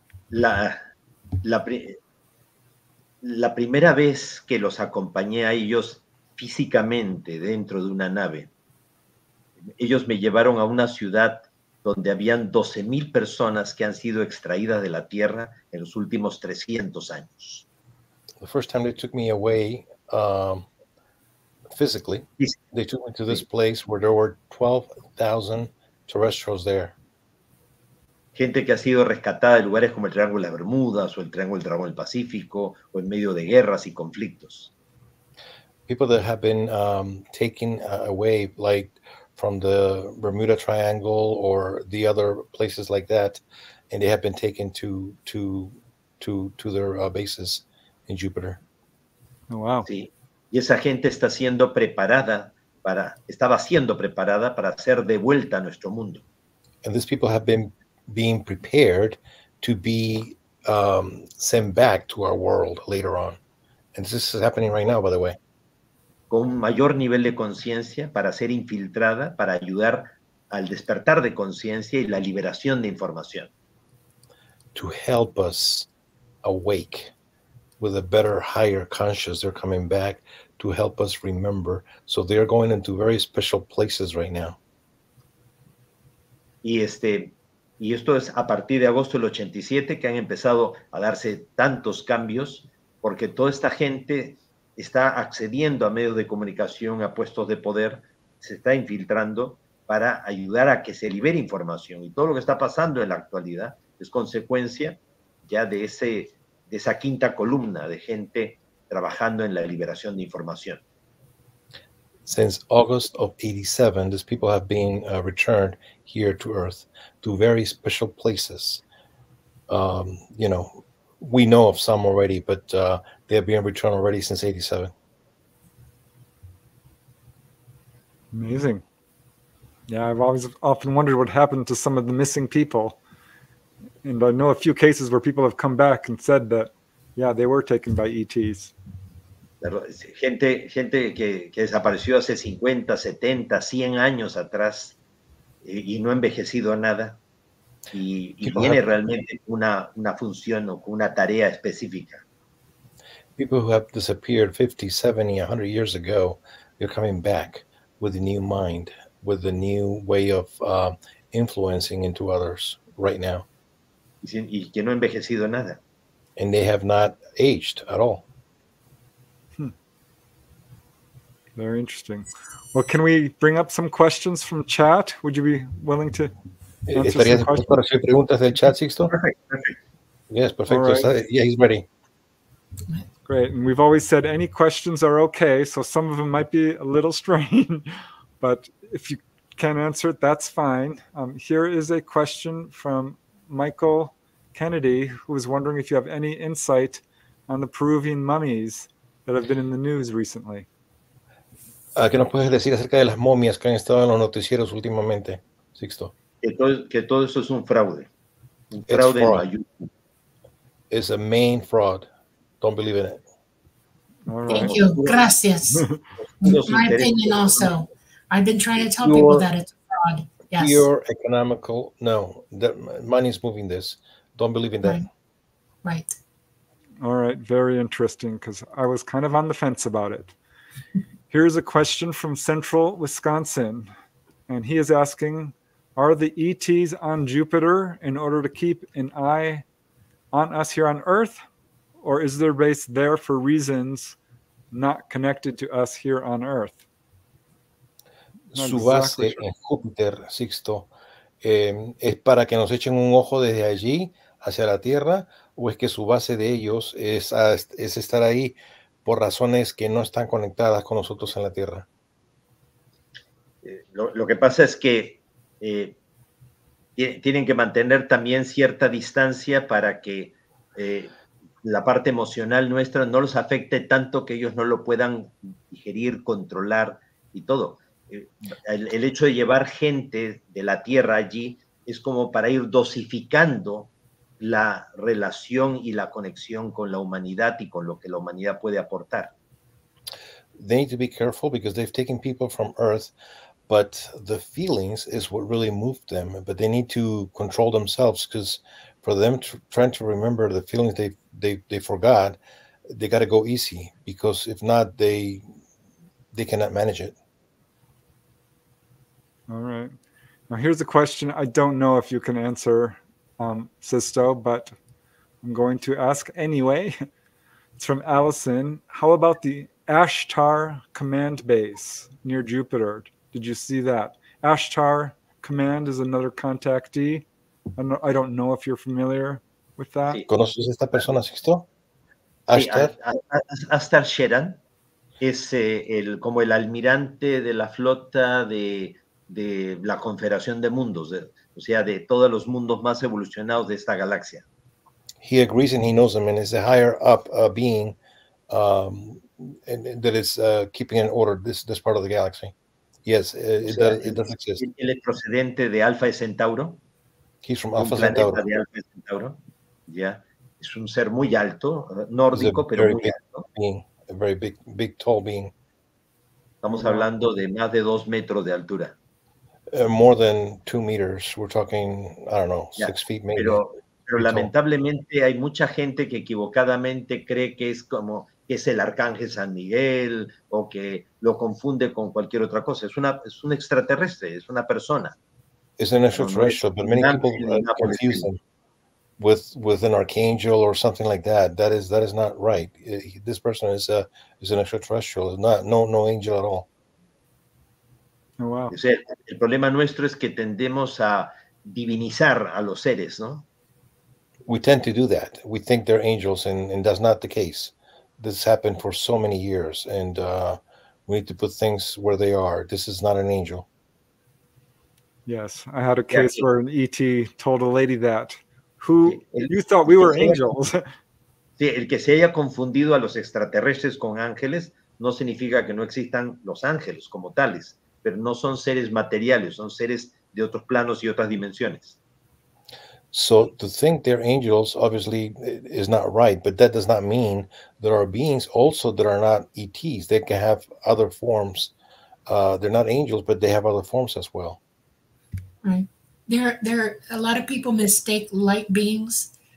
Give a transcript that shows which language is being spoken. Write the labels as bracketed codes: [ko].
[es] La primera vez que los acompañé a ellos físicamente dentro de una nave, ellos me llevaron a una ciudad donde habían 12,000 personas que han sido extraídas de la Tierra en los últimos 300 años. [en] The first time they took me away... physically, they took me to this place where there were 12,000 terrestrials there. [es] Gente que ha sido rescatada de lugares como el Triángulo de Bermudas o el Triángulo del Dragón del Pacífico o en medio de guerras y conflictos. [en] People that have been taken away, like from the Bermuda Triangle or the other places like that, and they have been taken to their bases in Jupiter. Oh, wow. [es] Sí. Y esa gente estaba siendo preparada para ser devuelta a nuestro mundo. [en] And these people have been being prepared to be sent back to our world later on. And this is happening right now, by the way. [es] Con un mayor nivel de conciencia para ser infiltrada, para ayudar al despertar de conciencia y la liberación de información. [en] To help us awake with a better, higher conscious, they're coming back to help us remember. So they are going into very special places right now. [es] Y esto es a partir de agosto del 87 que han empezado a darse tantos cambios porque toda esta gente está accediendo a medios de comunicación, a puestos de poder, se está infiltrando para ayudar a que se libere información. Y todo lo que está pasando en la actualidad es consecuencia ya de esa quinta columna de gente trabajando en la liberación de información. [en] Since August of 87, these people have been returned here to Earth to very special places. You know, we know of some already, but they have been returned already since 87. Amazing. Yeah, I've always often wondered what happened to some of the missing people. And I know a few cases where people have come back and said that, yeah, they were taken by ETs. [es] Gente que desapareció hace 50, 70, 100 años atrás y no ha envejecido nada y tiene realmente una función o una tarea específica. [en] People who have disappeared 50, 70, 100 years ago, they're coming back with a new mind, with a new way of influencing into others right now. [es] Y que no ha envejecido nada. [en] And they have not aged at all. Very interesting. Well, can we bring up some questions from chat? Would you be willing to answer some questions? Perfect, perfect. Yes, perfect. Right. Yeah, he's ready. Great. And we've always said any questions are okay. So some of them might be a little strange, but if you can't answer it, that's fine. Here is a question from Michael Kennedy, who was wondering if you have any insight on the Peruvian mummies that have been in the news recently. [es] ¿Qué nos puedes decir acerca de las momias que han estado en los noticieros últimamente, Sixto? Que todo eso es un fraude. Un fraude. [en] It's a main fraud. Don't believe in it. Thank you. [es] Gracias. [en] My opinion also. I've been trying to tell people that it's a fraud. Yes. Pure economical. No. The money is moving this. Don't believe in that. Right. All right. Very interesting, because I was kind of on the fence about it. Here's a question from Central Wisconsin, and he is asking, are the ETs on Jupiter in order to keep an eye on us here on Earth, or is their base there for reasons not connected to us here on Earth? [es] Su base en Júpiter, Sixto, es para que nos echen un ojo desde allí hacia la Tierra, o es que su base de ellos es estar ahí por razones que no están conectadas con nosotros en la Tierra. Lo que pasa es que tienen que mantener también cierta distancia para que la parte emocional nuestra no los afecte tanto que ellos no lo puedan digerir, controlar y todo. El hecho de llevar gente de la Tierra allí es como para ir dosificando la relación y la conexión con la humanidad y con lo que la humanidad puede aportar. [en] They need to be careful because they've taken people from Earth, but the feelings is what really moved them. But they need to control themselves, because for them trying to remember the feelings they forgot, they got to go easy, because if not, they cannot manage it. All right. Now here's a question I don't know if you can answer, Sisto, but I'm going to ask anyway. It's from Allison. How about the Ashtar command base near Jupiter? Did you see that? Ashtar command is another contactee. I don't know if you're familiar with that. [es] ¿Conoces esta persona, Sisto? Ashtar. Ashtar Sheran es el como el almirante de la flota de la Confederación de Mundos. O sea, de todos los mundos más evolucionados de esta galaxia. [en] He agrees and he knows them, and is a higher up being that is keeping in order this part of the galaxy. Yes, it does exist. [es] ¿Él es procedente de Alpha Centauro? [en] He's from Alpha Centauro. [es] De Alpha Centauro. [en] Yeah. [es] Es un ser muy alto, nórdico, pero muy alto. [en] Being, a very big, tall being. [es] Estamos hablando de más de 2 metros de altura. [en] More than 2 meters, we're talking, I don't know, yeah. 6 feet maybe. [es] Pero lamentablemente hay mucha gente que equivocadamente cree que es como, que es el Arcángel San Miguel, o que lo confunde con cualquier otra cosa. Es un extraterrestre, es una persona. [en] It's an extraterrestrial, but many people confuse him with an archangel or something like that. That is not right. This person is an extraterrestrial, no angel at all. Oh, wow. [es] O sea, el problema nuestro es que tendemos a divinizar a los seres, ¿no? [en] We tend to do that. We think they're angels, and that's not the case. This happened for so many years, and We need to put things where they are. This is not an angel. Yes, I had a case where an ET told a lady that, who you thought we were angels. [es] Sí, el que se haya confundido a los extraterrestres con ángeles no significa que no existan los ángeles como tales, pero no son seres materiales, son seres de otros planos y otras dimensiones. [en] So to think they're angels obviously is not right, but that does not mean there are beings also that are not ETs. They can have other forms. They're not angels, but they have other forms as well. Right. There are a lot of people mistake light beings.